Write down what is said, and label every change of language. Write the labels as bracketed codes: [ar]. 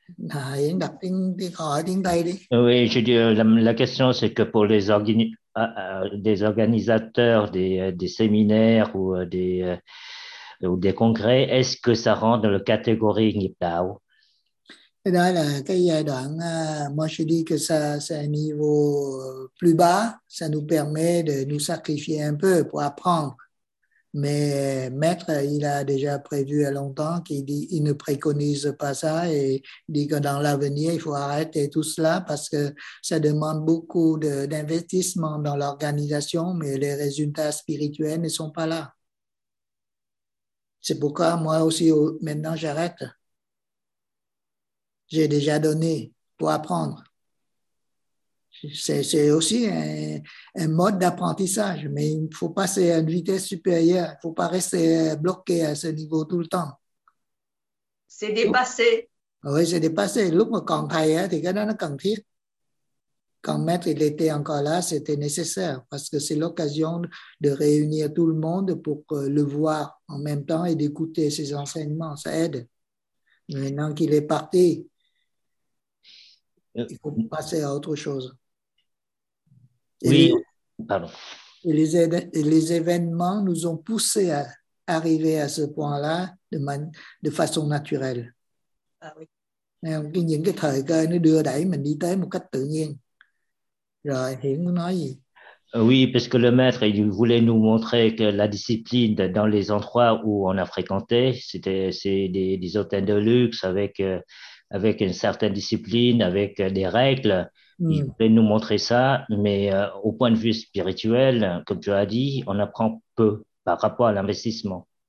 [vi] Thầy đặt tiếng Hỏi tiếng Tây đi. [fr] Oui, je dis, la question c'est que pour les organisateurs des séminaires ou des congrès, est-ce que ça rentre dans la catégorie nghiệp đạo? [vi] Cái đó là cái giai đoạn [fr] moi je dis que ça c'est un niveau plus bas, ça nous permet de nous sacrifier un peu pour apprendre. Mais maître, il a déjà prévu à longtemps qu'il dit, il ne préconise pas ça et dit que dans l'avenir, il faut arrêter tout cela parce que ça demande beaucoup d'investissement dans l'organisation, mais les résultats spirituels ne sont pas là. C'est pourquoi moi aussi, maintenant, j'arrête. J'ai déjà donné pour apprendre. C'est aussi un mode d'apprentissage, mais il faut passer à une vitesse supérieure. Il ne faut pas rester bloqué à ce niveau tout le temps. C'est dépassé. Oui, c'est dépassé. [vi] Lúc mà còn thầy, thì cái đó nó cần thiết. [fr] Quand maître il était encore là, c'était nécessaire parce que c'est l'occasion de réunir tout le monde pour le voir en même temps et d'écouter ses enseignements. Ça aide. Maintenant qu'il est parti, il faut passer à autre chose. Et oui, pardon. Les événements nous ont poussés à arriver à ce point-là de façon naturelle. Ah oui. [vi] Những cái thời cơ nó đưa đẩy mình đi tới một cách tự nhiên. Rồi, Hiển muốn nói gì? [fr] Oui, parce que le maître il voulait nous montrer que la discipline dans les endroits où on a fréquenté, c'est des hôtels de luxe avec une certaine discipline, avec des règles. Mm. Il voulait nous montrer ça, mais au point de vue spirituel, comme tu as dit, on apprend peu par rapport à l'investissement.